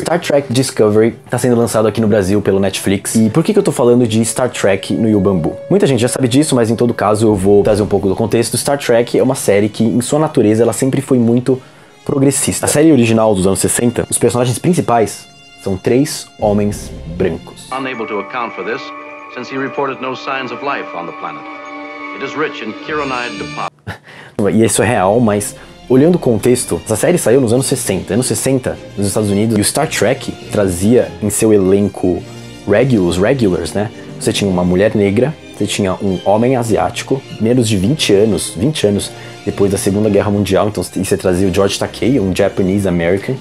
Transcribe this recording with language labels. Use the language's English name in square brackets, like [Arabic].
[Portuguese] Star Trek Discovery tá sendo lançado aqui no Brasil pelo Netflix. E por que que eu tô falando de Star Trek no Yobambu? Muita gente já sabe disso, mas em todo caso eu vou trazer um pouco do contexto. Star Trek é uma série que, em sua natureza, ela sempre foi muito progressista. A série original dos anos 60, os personagens principais são três homens brancos. [English] Unable to account for this, since he reported no signs of life on the planet. It is rich in Kironide deposits. [Portuguese] E isso é real, mas olhando o contexto, essa série saiu nos anos 60. Anos 60, nos Estados Unidos, e o Star Trek trazia em seu elenco regulars, né? Você tinha uma mulher negra, você tinha um homem asiático, menos de 20 anos depois da Segunda Guerra Mundial, então você trazia o George Takei, um [English] Japanese American.